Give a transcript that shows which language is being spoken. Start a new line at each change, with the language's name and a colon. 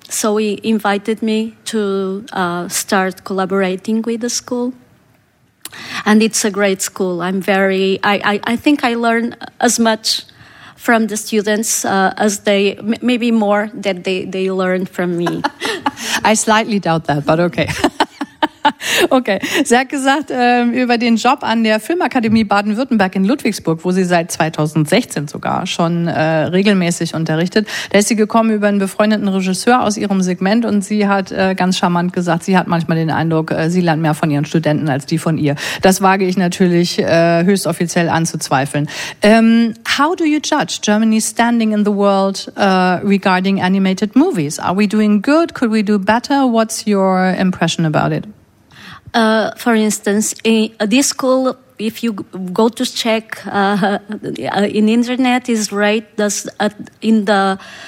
English: So he invited me to start collaborating with the school. And it's a great school. I'm very, I think I learn as much from the students as they, maybe more that they learn from me. I slightly doubt that, but okay.
German: Okay, sie hat gesagt, über den Job an der Filmakademie Baden-Württemberg in Ludwigsburg, wo sie seit 2016 sogar schon regelmäßig unterrichtet, da ist sie gekommen über einen befreundeten Regisseur aus ihrem Segment und sie hat ganz charmant gesagt, sie hat manchmal den Eindruck, sie lernt mehr von ihren Studenten als die von ihr. Das wage ich natürlich höchst offiziell anzuzweifeln.
English: How do you judge Germany's standing in the world regarding animated movies? Are we doing good? Could we do better? What's your impression about it? For instance, in this school, if you go to check in internet, is rated as in the